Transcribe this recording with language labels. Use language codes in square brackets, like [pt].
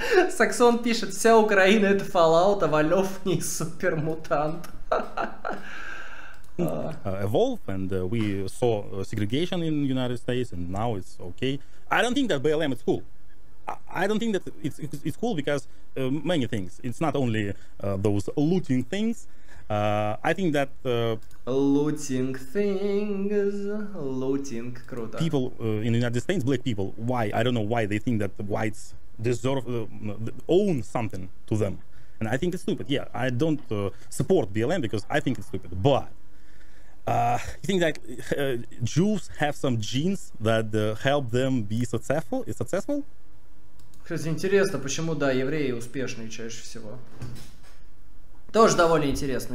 [ru] Саксон пишет, вся Украина это Fallout, а Валёв не супермутант. [en] Evolve, and we saw segregation in the United States, and now it's okay. I don't think that BLM is cool. I don't think that it's cool because many things. It's not only those looting things. I think that looting things, [ru] круто. [en] People in the United States, black people, why? I don't know why they think that whites deserve own something to them, and I think it's stupid. Yeah, I don't support BLM because I think it's stupid, but. You think that Jews have some genes that help them be successful? Is successful? [ru] Кстати, интересно, почему да, евреи успешные чаще всего. Тоже довольно интересно.